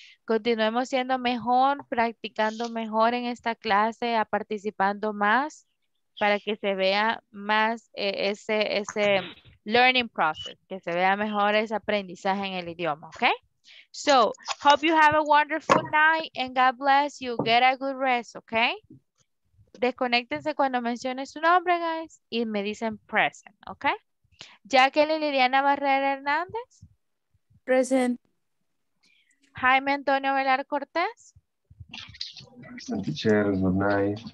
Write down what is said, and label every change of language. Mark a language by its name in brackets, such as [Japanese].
[Spanish] Continuemos siendo mejor, practicando mejor en esta clase, participando más para que se vea más ese [English] learning process, [Spanish] que se vea mejor ese aprendizaje en el idioma, okay? [English] So, hope you have a wonderful night and God bless you. Get a good rest, okay? [Spanish] Desconéctense cuando mencione su nombre, guys, y me dicen present, okay? Jacqueline Liliana Barrera Hernández. [English] Present. Jaime Antonio Velar Cortés. Teacher, good night.